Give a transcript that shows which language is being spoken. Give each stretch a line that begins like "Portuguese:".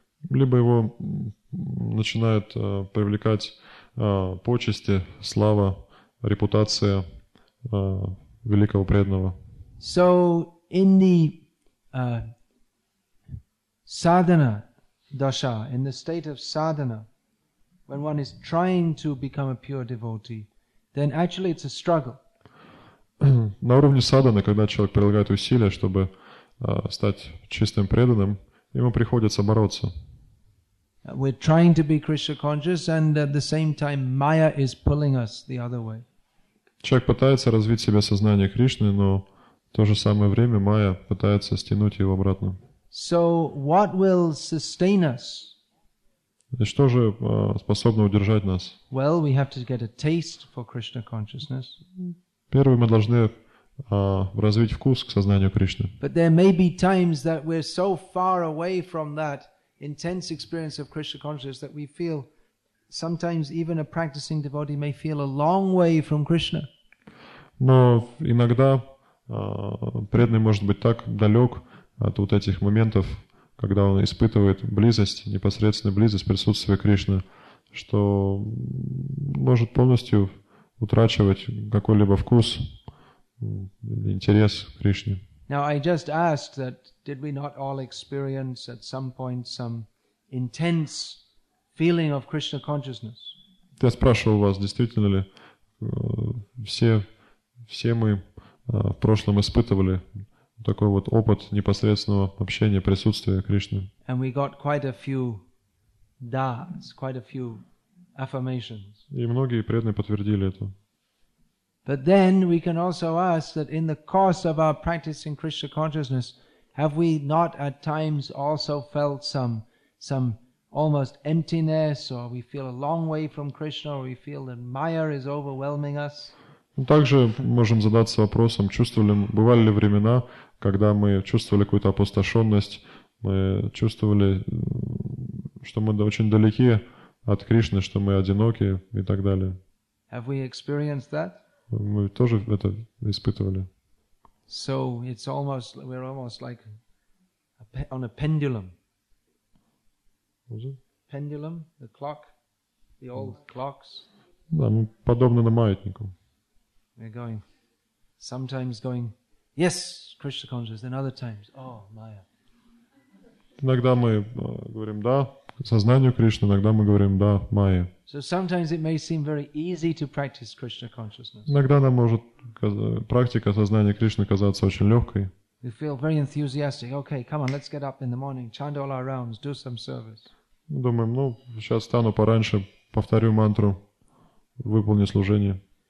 Russian: Либо его начинает привлекать почести, слава, репутация великого преданного.
English: So in the sadhana dasha, in the state of sadhana, when one is trying to become a pure devotee, then actually it's a struggle.
Russian: На уровне садханы, когда человек прилагает усилия, чтобы стать чистым преданным, ему приходится бороться.
English: We're trying to be Krishna conscious, and at the same time, Maya is pulling us the other way.
Russian: Человек пытается развить в себе сознание Кришны, но в то же самое время Майя пытается стянуть его обратно.
English: So what will sustain us?
Russian: И что же способно удержать нас?
English: Well, we have to get a taste for Krishna consciousness.
Russian: Первым мы должны развить вкус к сознанию Кришны.
English: But there may be times that we're so far away from that intense experience of Krishna consciousness that we feel sometimes even a practicing devotee may feel a long way from Krishna.
Russian: Но иногда преданный может быть так далек от вот этих моментов, когда он испытывает близость, непосредственную близость присутствия Кришны, что может полностью утрачивать какой-либо вкус, интерес к Кришне.
English: Now I just asked that did we not all experience at some point some intense feeling of Krishna consciousness?
Russian: Я спрашивал вас, действительно ли все мы в прошлом испытывали такой вот опыт непосредственного общения, присутствия Кришны.
English: And we got quite a few da's, quite a few affirmations.
Russian: И многие преданные подтвердили это.
English: But then we can also ask that in the course of our practicing Krishna consciousness, have we not at times also felt some almost emptiness, or we feel a long way from Krishna, or we feel that Maya is overwhelming us?
Russian: Также можем задаться вопросом, бывали ли времена, когда мы чувствовали какую-то опустошенность, мы чувствовали, что мы очень далеки от Кришны, что мы одиноки и так далее.
English: Have we experienced that?
Russian: Мы тоже это испытывали.
English: So it's almost, we're almost like on a pendulum. Was it? Pendulum, the clock, the old clocks.
Russian: Да, мы подобны на маятнику.
English: We're going, sometimes going Yes, Krishna consciousness in other times. Oh, Maya.
Russian: Иногда мы говорим да сознанию Кришны, иногда мы говорим да Майя.
English: So sometimes it may seem very easy to practice Krishna consciousness.
Russian: Иногда нам может практика сознания Кришны казаться очень легкой.
English: We feel very enthusiastic. Okay, come on, let's get up in the morning, chant all our rounds, do some service.
Russian: Думаем, ну сейчас встану пораньше, повторю мантру, выполню служение.